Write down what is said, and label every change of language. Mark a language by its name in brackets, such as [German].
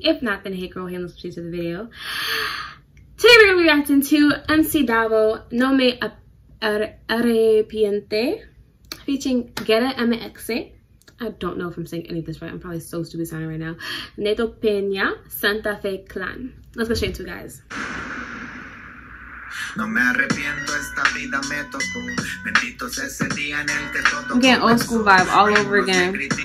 [English] If not, then hey girl, hey, let's proceed to the video. Today we're gonna be reacting to MC Davo, No Me Arrepiente, featuring Gera MX. I don't know if I'm saying any of this right. I'm probably so stupid sounding right now. Neto, Peña, Santa Fe, Klan. Let's go straight to it, guys. [Spanish] No me arrepiento, esta vida me tocó. Bendito sea ese día en el que todo. [English] Again, old school vibe all over again.